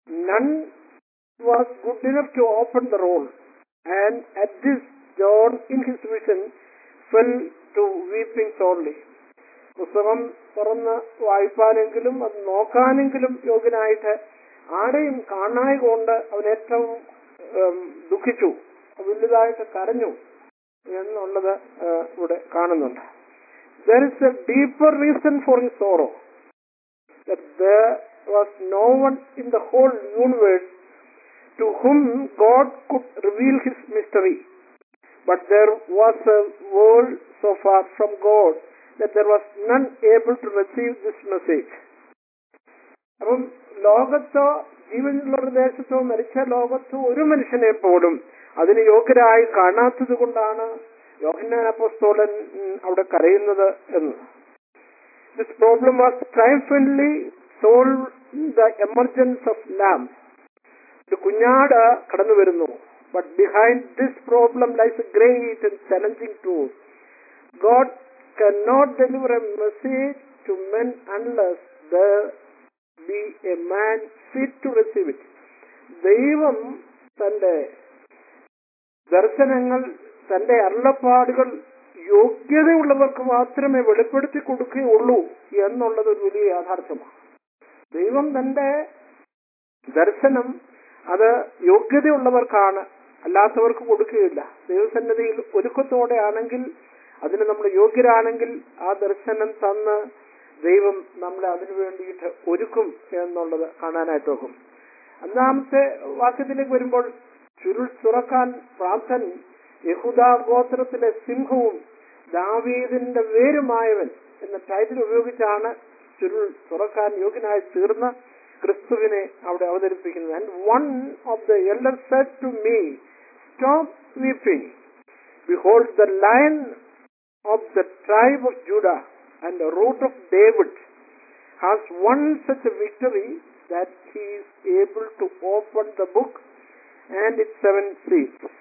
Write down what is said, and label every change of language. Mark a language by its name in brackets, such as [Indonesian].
[English] None was good enough to open the roll and at this John in his vision fell to weeping sorely. [Malayalam] പുസ്തകം തുറന്ന് വായിപ്പാനെങ്കിലും അത് നോക്കാനെങ്കിലും യോഗ്യനായിട്ട് ആരെയും കാണായ കൊണ്ട് അവനേറ്റവും ദുഃഖിച്ചു, വലുതായിട്ട് കരഞ്ഞു എന്നുള്ളത് ഇവിടെ കാണുന്നുണ്ട്. [English] There is a deeper reason for his sorrow, that there was no one in the whole universe to whom God could reveal his mystery. But there was a world so far from God that there was none able to receive this message. [Malayalam] അപ്പം ലോകത്തോ ജീവനുള്ള ദേശത്തോ മരിച്ച ലോകത്തോ ഒരു മനുഷ്യനെ പോലും അതിന് യോഗ്യരായി കാണാത്തത് കൊണ്ടാണ് യോഹന്നാൻ അപ്പോസ്തലൻ അവിടെ കരയുന്നത് എന്ന്. [English] This problem was triumphantly solved in the emergence of lamb. [Malayalam] ഒരു കുഞ്ഞാട് കടന്നു വരുന്നു. [English] But behind this problem lies a great and challenging truth. God cannot deliver a message to men unless there be a man fit to receive it. [Malayalam] ദൈവം തന്റെ ദർശനങ്ങൾ തന്റെ അരുളപ്പാടുകൾ യോഗ്യതയുള്ളവർക്ക് മാത്രമേ വെളിപ്പെടുത്തി കൊടുക്കുകയുള്ളൂ എന്നുള്ളത് ഒരു വലിയ യാഥാർത്ഥ്യമാണ്. ദൈവം തന്റെ ദർശനം അത് യോഗ്യതയുള്ളവർക്കാണ്, അല്ലാത്തവർക്ക് കൊടുക്കുകയില്ല. ദൈവസന്നിധിയിൽ ഒരുക്കത്തോടെ ആണെങ്കിൽ, അതിന് നമ്മൾ യോഗ്യരാണെങ്കിൽ ആ ദർശനം തന്ന് ദൈവം നമ്മളെ അതിനു വേണ്ടിയിട്ട് ഒരുക്കും എന്നുള്ളത് കാണാനായിട്ട് നോക്കും. 5-ാമത്തെ വാക്യത്തിലേക്ക് വരുമ്പോൾ ചുരുൾ തുറക്കാൻ പ്രാപ്തൻ യഹൂദാ ഗോത്രത്തിലെ സിംഹവും ദാവീദിന്റെ വേരുമായവൻ എന്ന ടൈറ്റിൽ ഉപയോഗിച്ചാണ് ചുരുൾ തുറക്കാൻ യോഗ്യനായി തീർന്ന ക്രിസ്തുവിനെ അവിടെ അവതരിപ്പിക്കുന്നത്. [English] And one of the elder said to me, stop weeping, behold the lion of the tribe of Judah and the root of David has won such a victory that he is able to open the book and its seven seals.